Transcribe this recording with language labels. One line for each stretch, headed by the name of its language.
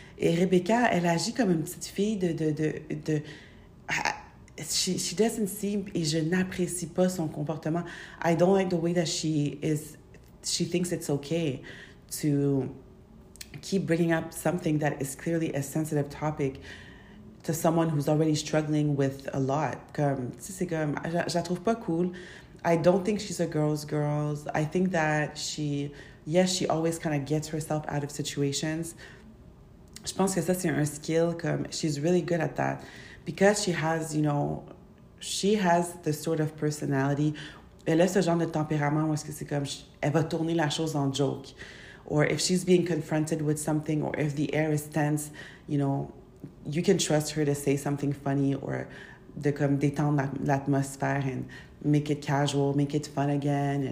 French: Et Rebecca, elle agit comme une petite fille de
English: She doesn't seem,
French: et je n'apprécie pas son comportement.
English: I don't like the way that she thinks it's okay to keep bringing up something that is clearly a sensitive topic to someone who's already struggling with a lot.
French: Comme, tu sais, c'est comme, je la trouve pas cool.
English: I don't think she's a girl's girl. I think that she always kind of gets herself out of situations.
French: Je pense que ça, c'est un
English: skill, comme, she's really good at that. Because she has, you know, she has the sort of personality.
French: Elle a ce genre de tempérament où est-ce que c'est comme, elle va tourner la chose en joke.
English: Or if she's being confronted with something, or if the air is tense, you know, you can trust her to say something funny or
French: de comme détendre l'atmosphère
English: and make it casual, make it fun again.